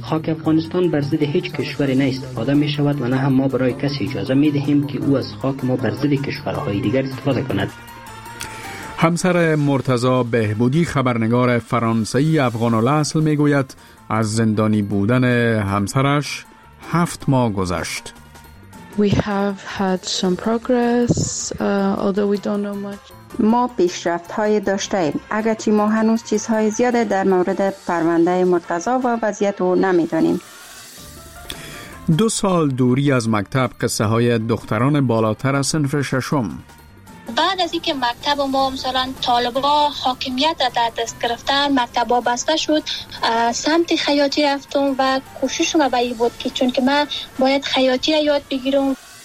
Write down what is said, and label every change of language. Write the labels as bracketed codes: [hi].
[fa] خاک افغانستان بر ضد هیچ کشوری نه استفاده می شود و نه هم ما برای کسی اجازه می دهیم که او از خاک ما بر ضد کشورهای دیگر استفاده کند. همسر مرتضی بهبودی خبرنگار فرانسوی افغان الاصل می گوید از زندانی بودن همسرش 7 ماه گذشت. [en] We have had some progress, although we don't know much. [fa] ما پیشرفت‌های داشته‌ایم، اگرچه ما هنوز چیزهای زیاده در مورد پرونده مرتضی و وضعیت او نمی‌دانیم. دو سال دوری از مکتب قصه های دختران بالاتر از صنف ششم. بعد از اینکه مکتب ما مثلا طالبان حاکمیت را در دست گرفتن، مکتب بسته شد، سمت خیاطی رفتم و کوششم به این بود که چون که من باید خیاطی را یاد بگیرم.